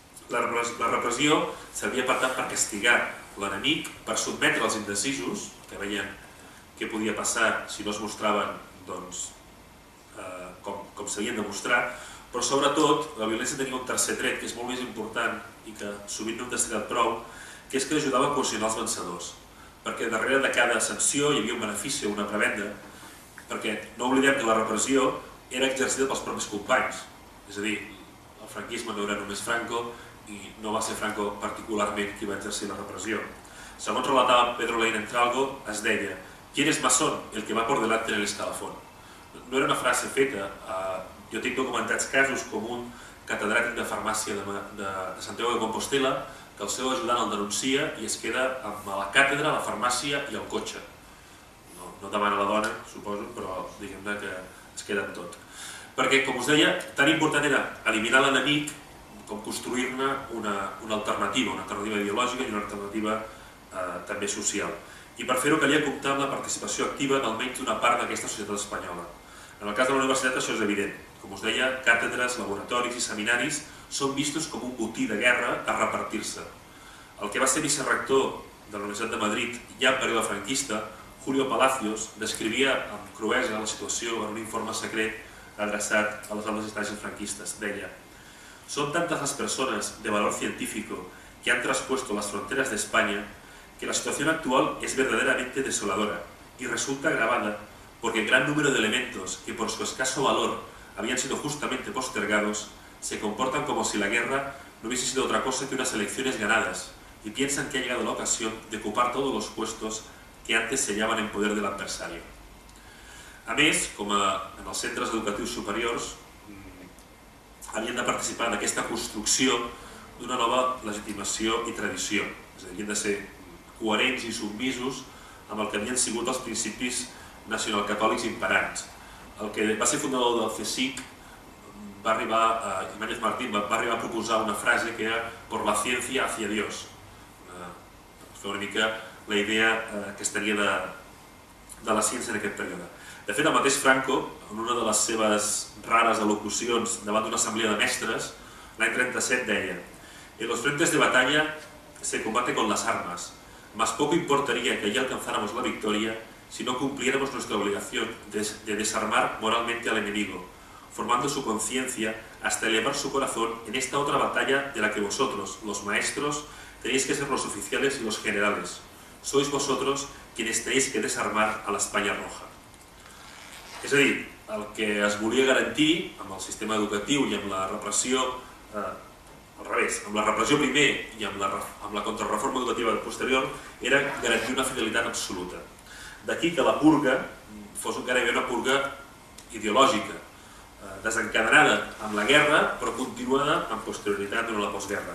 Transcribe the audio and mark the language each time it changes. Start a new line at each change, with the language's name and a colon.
Catalan: La repressió servia per tant per castigar l'enemic, per sotmetre els indecisos, que veien què podia passar si no es mostraven doncs, com s'havien de mostrar, però sobretot la violència tenia un tercer tret, que és molt més important i que sovint no hem destacat prou, que és que ajudava a coaccionar els vencedors. Perquè darrere de cada sanció hi havia un benefici o una prebenda, perquè no oblidem que la repressió era exercida pels propis companys. És a dir, el franquisme no era només Franco, i no va ser Franco particularment qui va exercir la repressió. Segons relatava Pedro Lane Entralgo, es deia:
Spanish: ¿quién es masón? El que va por delante en el escalafón.
Catalan: No era una frase feta. Jo tinc documentats casos com un catedràtic de farmàcia de Santiago de Compostela, que el seu ajudant el denuncia i es queda amb la càtedra, la farmàcia i el cotxe. No demana la dona, suposo, però diguem-ne que es queda amb tot. Perquè, com us deia, tan important era eliminar l'enemic com construir-ne una alternativa ideològica i una alternativa també social. I per fer-ho calia comptar amb la participació activa d'almenys d'una part d'aquesta societat espanyola. En el cas de la universitat això és evident. Com us deia, càtedres, laboratoris i seminaris són vistos com un botí de guerra a repartir-se. El que va ser vicerrector de la Universitat de Madrid ja en període franquista, Julio Palacios, descrivia amb cruesa la situació en un informe secret adreçat a les altres instàncies franquistes. Deia:
Spanish: son tantas las personas de valor científico que han traspuesto las fronteras de España que la situación actual es verdaderamente desoladora y resulta agravada porque el gran número de elementos que por su escaso valor habían sido justamente postergados se comportan como si la guerra no hubiese sido otra cosa que unas elecciones ganadas y piensan que ha llegado la ocasión de ocupar todos los puestos que antes se hallaban en poder del adversario.
Catalan: A més, com a, en els centres educatius superiors, havien de participar en aquesta construcció d'una nova legitimació i tradició. És a dir, havien de ser coherents i submisos amb el que havien sigut els principis nacionalcatòlics imperants. El que va ser fundador del CSIC, va arribar, Imáñez Martín, va arribar a proposar una frase que era
Spanish: «Por la ciencia hacia Dios». Fue
Catalan: una mica la idea que estaria de la ciència en aquest període. De fet, el mateix Franco, en una de les seves rares al·locucions davant d'una assemblea de mestres, l'any 37 deia
Spanish: «En los frentes de batalla se combate con las armas, más poco importaría que allí alcanzáramos la victoria si no cumpliéramos nuestra obligación de desarmar moralmente al enemigo, formando su conciencia hasta elevar su corazón en esta otra batalla de la que vosotros, los maestros, tenéis que ser los oficiales y los generales. Sois vosotros quienes tenéis que desarmar a la España roja».
Catalan: És a dir, el que es volia garantir amb el sistema educatiu i amb la repressió, al revés, amb la repressió primer i amb la contrarreforma educativa posterior, era garantir una fidelitat absoluta. D'aquí que la purga fos encara una purga ideològica, desencadenada amb la guerra, però continuada amb posterioritat durant la postguerra.